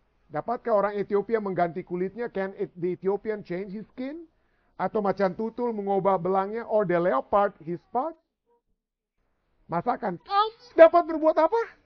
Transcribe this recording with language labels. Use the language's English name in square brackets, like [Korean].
[Indonesian] Dapatkah orang Ethiopia mengganti kulitnya? [English] Can the Ethiopian change his skin? [Indonesian] Atau macan tutul mengubah belangnya? [English] Or the leopard his spots? [Indonesian] Masakan kamu dapat berbuat apa?